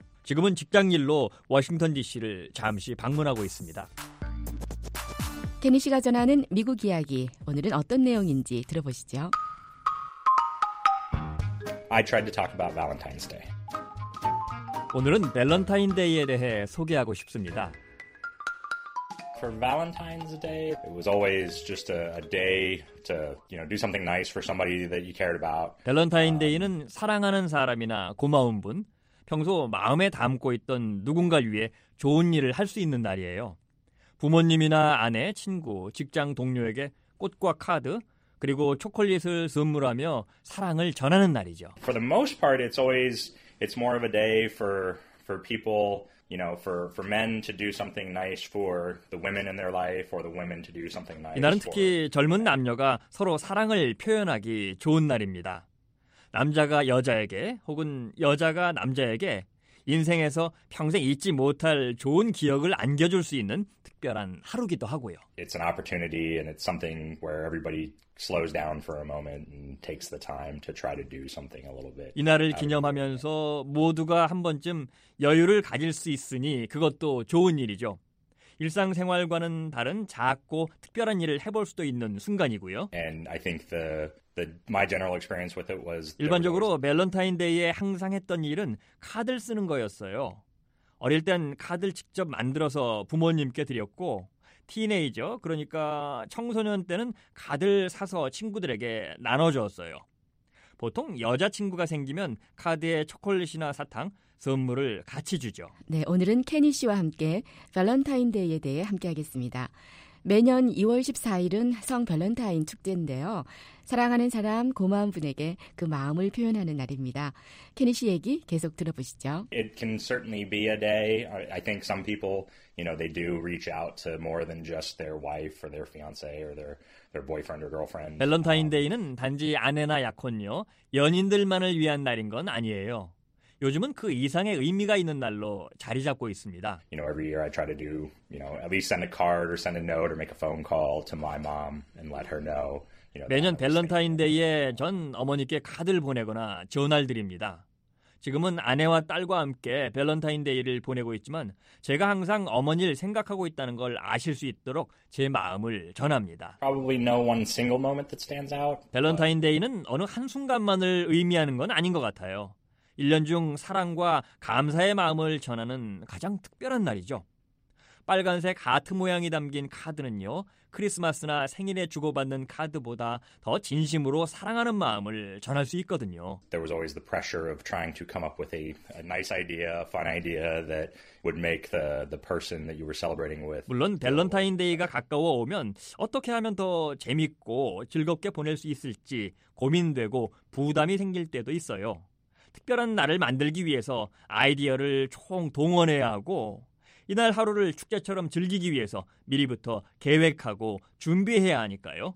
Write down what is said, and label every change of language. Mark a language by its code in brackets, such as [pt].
[ko] 지금은 직장 일로 워싱턴 DC를 잠시 방문하고 있습니다. 케니 씨가 전하는 미국 이야기, 오늘은 어떤 내용인지 들어보시죠. [en] I tried to talk about Valentine's Day. [ko] 오늘은 밸런타인데이에 대해 소개하고 싶습니다. [en] For Valentine's Day, it was always just a day to, you know, do something nice for somebody that you cared about. [ko] 밸런타인데이는 사랑하는 사람이나 고마운 분, 평소 마음에 담고 있던 누군가 위해 좋은 일을 할 수 있는 날이에요. 부모님이나 아내, 친구, 직장 동료에게 꽃과 카드, 그리고 초콜릿을 선물하며 사랑을 전하는 날이죠. [en] For the most part, it's more of a day for people, you know, for men to do something nice for the women in their life or the women to do something nice. [ko] 이날은 특히 젊은 남녀가 서로 사랑을 표현하기 좋은 날입니다. 남자가 여자에게 혹은 여자가 남자에게 인생에서 평생 잊지 못할 좋은 기억을 안겨줄 수 있는 특별한 하루기도 하고요. [en] It's an opportunity and it's something where everybody slows down for a moment and takes the time to try to do something a little bit. [ko] 이날을 기념하면서 모두가 한 번쯤 여유를 가질 수 있으니 그것도 좋은 일이죠. 일상생활과는 다른 작고 특별한 일을 해볼 수도 있는 순간이고요. [en] And I think my general experience with it was [ko] 일반적으로 밸런타인데이에 항상 했던 일은 카드를 쓰는 거였어요. 어릴 땐 카드를 직접 만들어서 부모님께 드렸고 티네이저, 그러니까 청소년 때는 카드를 사서 친구들에게 나눠줬어요. 보통 여자친구가 생기면 카드에 초콜릿이나 사탕, 선물을 같이 주죠. 네, 오늘은 케니 씨와 함께 밸런타인데이에 대해 함께하겠습니다. 매년 2월 14일은 성 밸런타인 축제인데요. 사랑하는 사람, 고마운 분에게 그 마음을 표현하는 날입니다. 케니 씨 얘기 계속 들어보시죠. [en] It can certainly be a day. I think some people, you know, they do reach out to more than just their wife or their fiance or their boyfriend or girlfriend. [ko] 밸런타인데이는 단지 아내나 약혼녀, 연인들만을 위한 날인 건 아니에요. 요즘은 그 이상의 의미가 있는 날로 자리 잡고 있습니다. [en] You know, every year I try to do, you know, at least send a card or send a note or make a phone call to my mom and let her know. You know, [ko] 매년 밸런타인데이에 전 어머니께 카드를 보내거나 전화를 드립니다. 지금은 아내와 딸과 함께 밸런타인데이를 보내고 있지만 제가 항상 어머니를 생각하고 있다는 걸 아실 수 있도록 제 마음을 전합니다. [en] Probably no one single moment that stands out. [ko] 밸런타인데이는 어느 한 순간만을 의미하는 건 아닌 것 같아요. 1년 중 사랑과 감사의 마음을 전하는 가장 특별한 날이죠. 빨간색 하트 모양이 담긴 카드는요, 크리스마스나 생일에 주고받는 카드보다 더 진심으로 사랑하는 마음을 전할 수 있거든요. [en] There was always the pressure of trying to come up with a nice idea, a fun idea that would make the person that you were celebrating with. [ko] 물론 밸런타인데이가 가까워 오면 어떻게 하면 더 재밌고 즐겁게 보낼 수 있을지 고민되고 부담이 생길 때도 있어요. 특별한 날을 만들기 위해서 아이디어를 총 동원해야 하고 이날 하루를 축제처럼 즐기기 위해서 미리부터 계획하고 준비해야 하니까요.